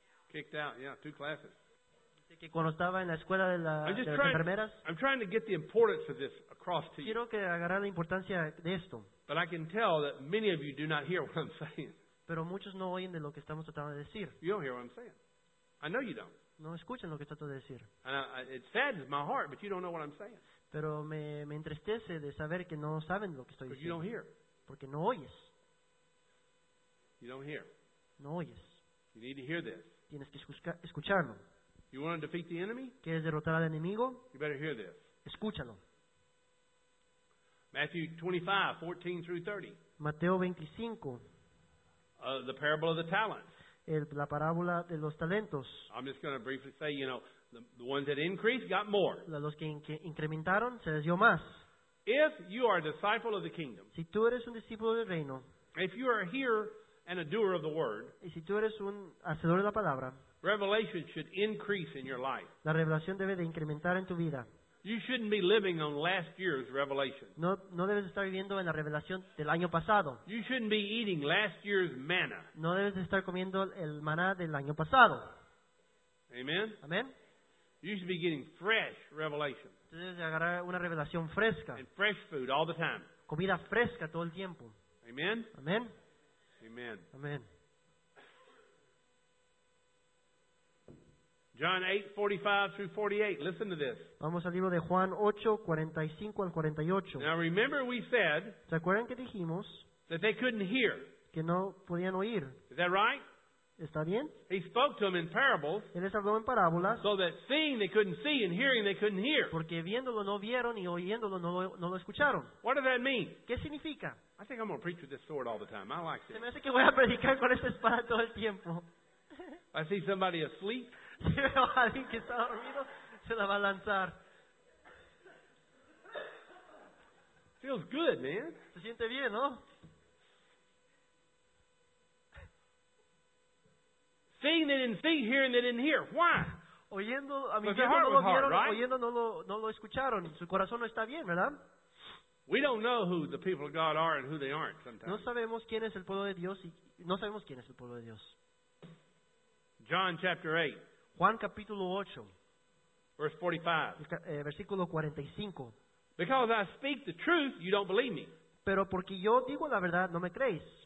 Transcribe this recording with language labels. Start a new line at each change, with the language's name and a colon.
English: Kicked out, yeah, two classes.
Spanish: Que cuando estaba en la escuela de las enfermeras.
English: I'm trying to get the importance of this across to you.
Spanish: Quiero que agarrar la importancia de esto.
English: But I can tell that many of you do not hear what I'm saying.
Spanish: Pero muchos no oyen de lo que estamos tratando de decir.
English: You don't hear what I'm saying. I know you don't.
Spanish: No escuchan lo que trato de decir.
English: And it saddens my heart, but you don't know what I'm saying.
Spanish: Pero me entristece de saber que no saben lo que estoy diciendo.
English: You don't hear.
Spanish: Porque no oyes.
English: You don't hear.
Spanish: No oyes.
English: You need to hear this.
Spanish: Tienes que escucharlo.
English: You want to defeat the enemy?
Spanish: ¿Quieres derrotar al enemigo?
English: You better hear this.
Spanish: Escúchalo.
English: Matthew 25:14-30.
Spanish: Mateo 25.
English: The parable of the talents.
Spanish: La parábola de los talentos.
English: I'm just going to briefly say, you know, the ones that increased got more.
Spanish: Los que incrementaron se les dio más.
English: If you are a disciple of the kingdom.
Spanish: Si tú eres un discípulo del reino.
English: If you are a hearer and a doer of the word.
Spanish: Y si tú eres un hacedor de la palabra.
English: Revelation should increase in your life.
Spanish: La revelación debe de incrementar en tu vida.
English: You shouldn't be living on last year's revelation.
Spanish: No debes estar viviendo en la revelación del año pasado.
English: You shouldn't be eating last year's manna.
Spanish: No debes estar comiendo el maná del año pasado. Amen. Amen. You should be getting fresh revelation. Tú debes agarrar una revelación fresca. And fresh food all the time. Comida fresca todo el tiempo. Amen. Amen. Amen. Amen.
English: John 8:45-48. Listen to this.
Spanish: Vamos al libro de Juan 8:45-48.
English: Now remember, we said.
Spanish: ¿Se acuerdan que dijimos?
English: That they couldn't hear.
Spanish: Que no podían oír.
English: Is that right?
Spanish: Está bien.
English: He spoke to them in parables.
Spanish: Él les habló en parábolas.
English: So that seeing they couldn't see and hearing they couldn't hear.
Spanish: Porque viéndolo no vieron y oyéndolo no lo escucharon.
English: What does that mean?
Spanish: ¿Qué significa?
English: I think I'm going to preach with this sword all the time. I like this.
Spanish: Se me hace que voy a predicar con esta espada todo el tiempo.
English: I see somebody asleep.
Spanish: Alguien que está dormido se la va a lanzar.
English: Feels good, man.
Spanish: Se siente bien, ¿no?
English: Seeing they didn't see, hearing they didn't hear. Why?
Spanish: Oyendo, a mi viejo no lo vieron, oyendo no lo escucharon. Su corazón no está bien, ¿verdad?
English: We don't know who the people of God are and who they aren't sometimes.
Spanish: No sabemos quién es el pueblo de Dios y no sabemos quién es el pueblo de Dios.
English: John chapter 8.
Spanish: Juan capítulo 8.
English: Verse 45.
Spanish: Versículo 45.
English: Because I speak the truth, you don't believe me.
Spanish: Pero porque yo digo la verdad, no me creéis.